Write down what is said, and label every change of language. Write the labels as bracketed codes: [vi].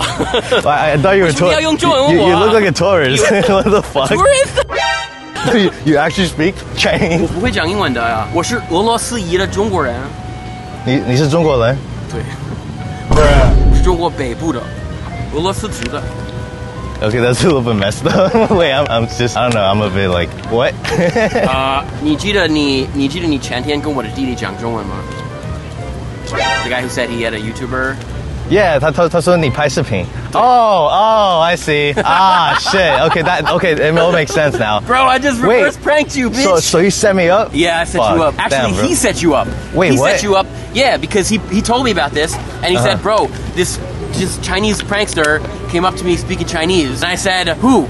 [en] I thought you were a tourist. You look like a tourist. What the fuck? Tourist? you actually speak Chinese? [zh] 我不会讲英文的呀，我是俄罗斯裔的中国人。你是中国人？对，是中国北部的，俄罗斯籍的。 [en] Okay, that's a little bit messed up. Wait, I don't know, I'm a bit like, what? [zh] 你记得你前天跟我的弟弟讲中文吗? [en] The guy who said he had a YouTuber? [zh] Yeah, 他说你拍视频. [en] Oh, I see. Ah, shit. Okay, it all makes sense now. Bro, I just reverse pranked you, bitch. So you set me up? Yeah, I set you up. Actually, damn, he set you up. Wait, he what? He set you up. Yeah, because he told me about this, and he said, bro, this Chinese prankster came up to me speaking Chinese, and I said, who?